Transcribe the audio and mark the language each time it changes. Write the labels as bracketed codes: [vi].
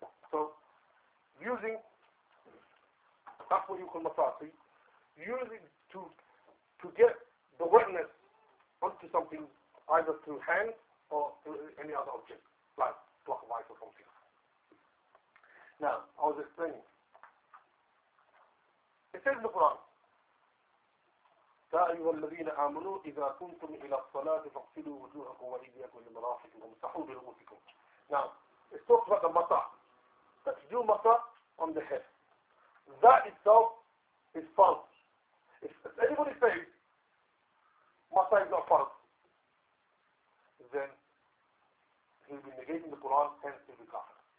[en] So, using, that's what you call masaha. Using to get the wetness onto something, either through hands or any other object, like block of ice or something. Now, I was explaining. It says in the Quran, [ar] يَا أَيُّهَا الَّذِينَ آمَنُوا إِذَا كُنْتُمْ إِلَى الصَّلَاةِ فَاغْسِلُوا وُجُوهَكُمْ وَأَيْدِيَكُمْ إِلَى الْمَرَافِقِ وَامْسَحُوا بِرُءُوسِكُمْ. [en] Now, it's talking about the masah. That's do masah on the head. That itself is false. If anybody says masah is not fard, then he'll be negating the Quran, hence he'll be kafir.